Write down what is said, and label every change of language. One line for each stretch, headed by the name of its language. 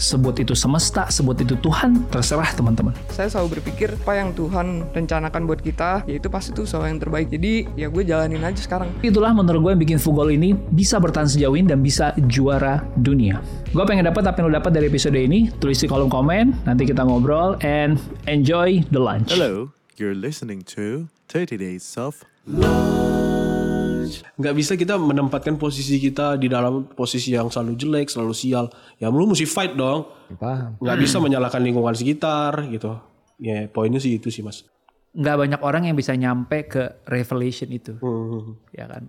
Indonesian: Sebut itu semesta, sebut itu Tuhan, terserah teman-teman. Saya selalu berpikir, apa yang Tuhan rencanakan buat kita, yaitu pasti itu soal yang terbaik. Jadi, ya gue jalanin aja sekarang. Itulah menurut gue yang bikin Fugol ini bisa bertahan sejauh ini dan bisa juara dunia. Gue pengen dapat apa yang lo dapat dari episode ini. Tulis di kolom komen, nanti kita ngobrol,
English: and enjoy the lunch. Hello, you're listening to 30 Days of Lunch.
Indonesian: Gak bisa kita menempatkan posisi kita di dalam posisi yang selalu jelek, selalu sial. Ya lu mesti fight dong. Paham. Gak bisa menyalahkan lingkungan sekitar gitu. Ya yeah, poinnya sih itu sih mas. Gak banyak orang yang bisa nyampe ke revelation itu. Ya kan?